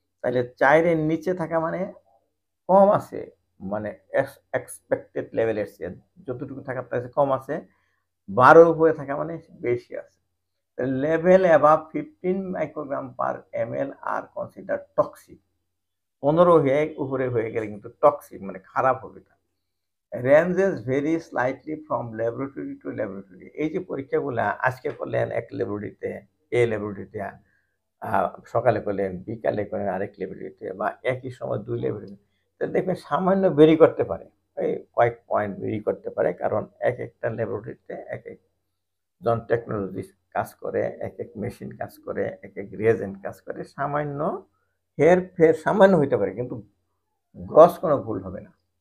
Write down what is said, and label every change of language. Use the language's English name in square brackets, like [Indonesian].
[Bangla] তাহলে 4-এর নিচে থাকা মানে কম আছে, মানে এক্সপেক্টেড লেভেলের চেয়ে যতটুকু থাকার তার কম আছে, 12-এর উপরে থাকা মানে বেশি আছে। [English] level above 15 microgram per ML are consider toxic, [Bangla] 15 হয়ে উপরে হয়ে গেলে কিন্তু টক্সিক, মানে খারাপ হবে, [English] ranges very slightly from laboratory to laboratory. [Bangla] এই যে পরীক্ষাগুলো আজকে করলেন এক ল্যাবরেটরিতে, এ ল্যাবরেটরিতে সকালে করলেন, বিকালে করলেন আরেক ল্যাবরেটরিতে, বা একই সময় দুই ল্যাবরেটরিতে, তাহলে দেখবেন সামান্য বেরি করতে পারে, এই কয়েক পয়েন্ট বেরি করতে পারে, কারণ এক একটা ল্যাবরেটরিতে এক এক জন টেকনোলজি কাজ করে, এক এক মেশিন কাজ করে, এক এক রিয়েজেন্ট কাজ করে, সামান্য হের ফের সামান্য হইতে পারে, কিন্তু গ্রস কোনো ভুল হবে না।